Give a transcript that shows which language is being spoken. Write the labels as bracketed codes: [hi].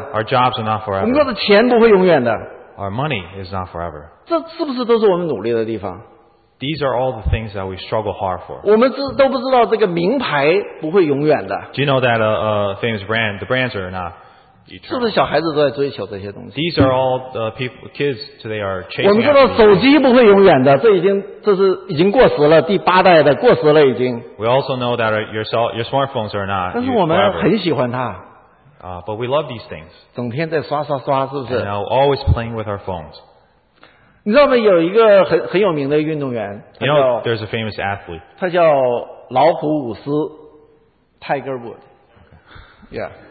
[en] Our jobs are not forever. [zh] 我们的钱不会永远的。 [en] Our money is not forever. [zh] 这是不是都是我们努力的地方? [en] These are all the things that we struggle hard for. [zh] 我们都不知道这个名牌不会永远的。 [en] Do you know that a famous brand, the brands are not eternal? [zh] 是不是小孩子都在追求这些东西? [en] These are all the people, kids today are chasing. [zh] 我们知道手机不会永远的, 这已经过时了, 第八代的, 过时了已经。 [en] We also know that your smartphones are not. [zh] 但是我们很喜欢它。 [en] But we love these things. [zh] 整天在刷刷刷, 是不是? [en] And now always playing with our phones. [zh] 你知道吗?有一个很有名的运动员, [en] you know, there's a famous athlete. [zh] 他叫老虎伍斯, Tiger Wood. [en] Okay. Yeah.